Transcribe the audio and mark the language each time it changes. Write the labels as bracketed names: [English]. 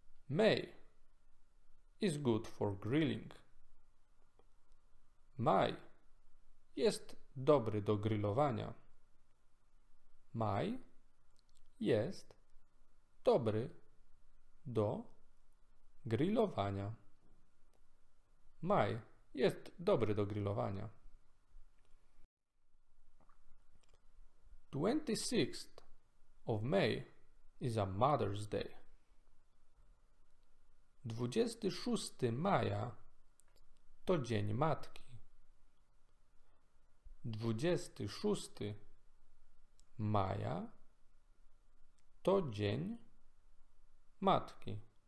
[English] May is good for grilling. [Polish] Maj jest dobry do grillowania. Maj jest dobry do grillowania. Maj jest dobry do grillowania. [English] 26th of May is a Mother's Day. [Polish] 26 maja to Dzień Matki. 26 maja to Dzień Matki.